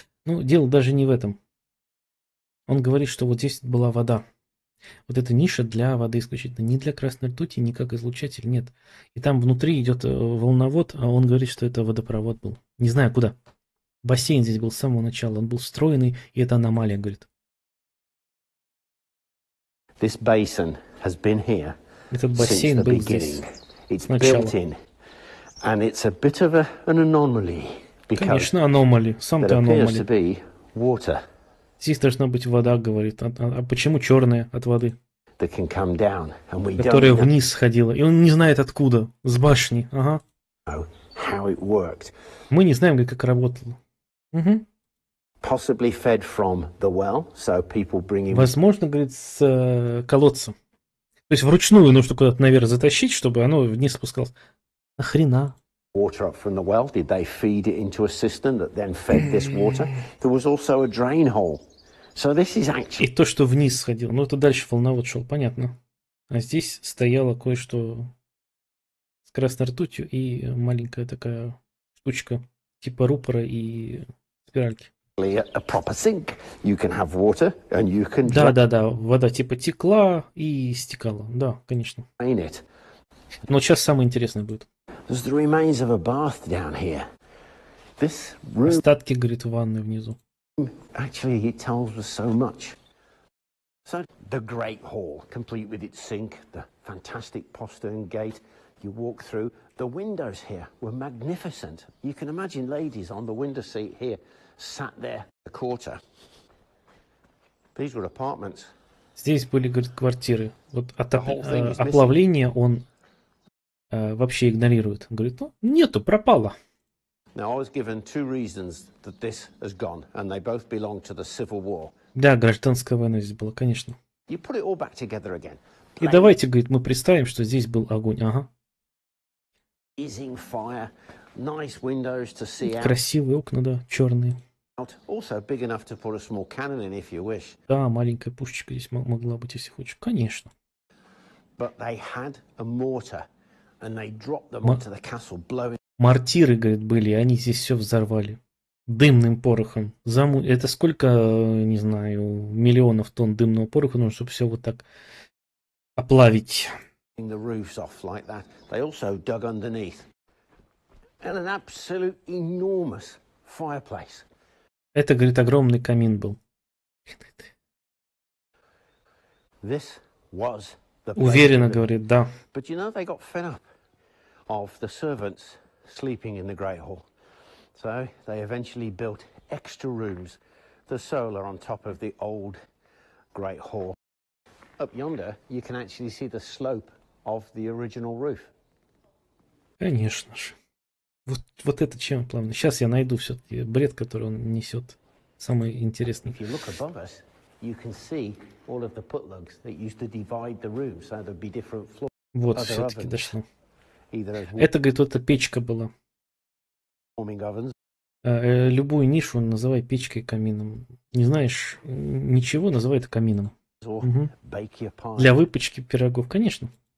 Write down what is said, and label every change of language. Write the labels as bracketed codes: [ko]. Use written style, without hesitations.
[ru] Ну, дело даже не в этом. Он говорит, что вот здесь была вода. Вот эта ниша для воды исключительно. Не для красной ртути, ни как излучатель, нет. И там внутри идет волновод, а он говорит, что это водопровод был. Не знаю куда. Бассейн здесь был с самого начала. Он был встроенный, и это аномалия, говорит. [en] This basin has been here. [ru] Этот бассейн был здесь с начала. [en] And it's a bit of an anomaly, because [ru] конечно, аномалия. Сам ты аномалия. [en] To be water. [ru] Здесь должна быть вода, говорит. А почему черная от воды? [en] That can come down, and we don't [ru] которая вниз сходила. И он не знает откуда. С башни. Ага. [en] How it worked. [ru] Мы не знаем, как работало. Угу. [en] Possibly fed from the well, so people bring him... [ru] Возможно, говорит, с колодца. То есть вручную нужно куда-то наверх затащить, чтобы оно вниз спускалось. Нахрена? [en] Water up from the well. Did they feed it into a system that then fed this water? There was also a drain hole. So this is actually... [ru] И то, что вниз сходил. Ну, это дальше волновод шел, понятно. А здесь стояло кое-что с красной ртутью и маленькая такая штучка, типа рупора и спиральки. [en] A proper sink. You can have water and you can... [ru] Да-да-да, вода типа текла и стекала. Да, конечно. [en] Drain it. [ru] Но сейчас самое интересное будет. [en] There's the remains of a bath down here. This room... [ru] Остатки, говорит, ванны внизу. [en] Actually, it tells us so much. So, the Great Hall, complete with its sink, the fantastic postern gate. You walk through. The windows here were magnificent. You can imagine ladies on the window seat here, sat there, a quarter. These were apartments. [ru] Здесь были квартиры. Вот оплавление он вообще игнорирует. Он говорит, ну, нету, пропало. [en] Now, I was given two reasons that this has gone, and they both belong to the Civil War. [ru] Да, гражданская война здесь была, конечно. [en] You put it all back together again. [ru] И давайте, говорит, мы представим, что здесь был огонь. Ага. [en] Easing fire, nice windows to see out. [ru] Красивые окна, да, черные. [en] Also big enough to put a small cannon in if you wish. [ru] Да, маленькая пушечка здесь могла быть, если хочешь. Конечно. [en] But they had a mortar, and they dropped them onto the castle, blowing. [ru] Мортиры, говорит, были, и они здесь все взорвали дымным порохом. Это сколько, не знаю, миллионов тонн дымного пороха нужно, чтобы все вот так оплавить. [en] The roofs off like that. They also dug underneath. And an absolute enormous fireplace. [ru] Это, говорит, огромный камин был. [en] This was the place. [ru] Уверенно, говорит, да. [en] But you know, they got fed up of the servants sleeping in the Great Hall. So they eventually built extra rooms, the solar on top of the old Great Hall. Up yonder, you can actually see the slope of the original roof. [ru] Конечно же. Вот это чем плавно. Сейчас я найду все-таки бред, который он несет. Самый интересный. [en] If you look above us, you can see all of the putlugs that used to divide the room, so there'd be different floors. [ru] Вот все-таки дошло. Это, говорит, вот эта печка была. Любую нишу называй печкой, камином. Не знаешь ничего, называй это камином. Угу. Для выпечки пирогов, конечно.